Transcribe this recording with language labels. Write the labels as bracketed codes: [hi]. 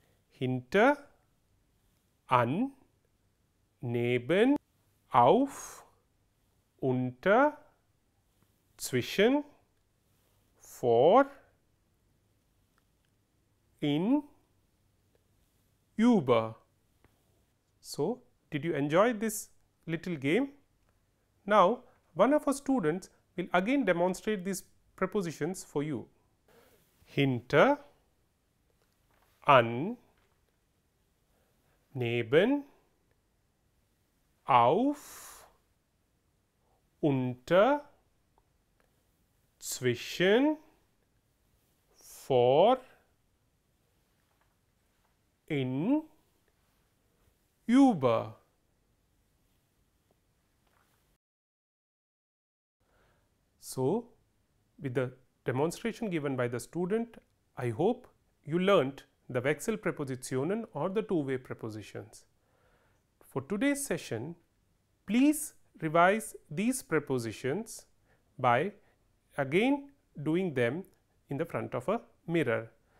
[de] Hinter, an, neben, auf, unter, zwischen, vor, in, über. [en] So, did you enjoy this little game? Now, one of our students will again demonstrate these prepositions for you. [de] Hinter, an, neben, auf, unter, zwischen, vor, in, über. [en] So, with the demonstration given by the student, I hope you learnt the Wechsel Präpositionen or the two-way prepositions. For today's session, please revise these prepositions by again doing them in the front of a mirror.